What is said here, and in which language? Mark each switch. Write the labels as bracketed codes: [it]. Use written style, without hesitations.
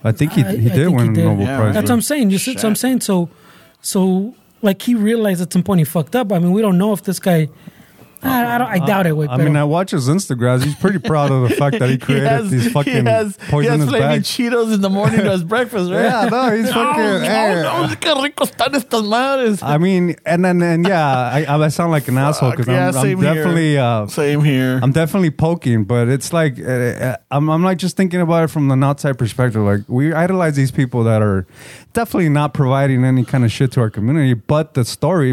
[en] I think he did win the Nobel Prize. That's what I'm saying. That's what I'm saying. So, like, he realized at some point he fucked up. I mean, we don't know if this guy. I doubt it. I mean, I watch his Instagrams. He's pretty proud of the fact that he created these fucking poisonous bags. He has Cheetos in the morning for his breakfast, right? Yeah, no, he's fucking, [es] qué rico están estas madres. [en] I mean, and I sound like an asshole because I'm definitely same here. I'm definitely poking, but it's like I'm just thinking about it from an outside perspective. Like, we idolize these people that are definitely not providing any kind of shit to our community, but the story.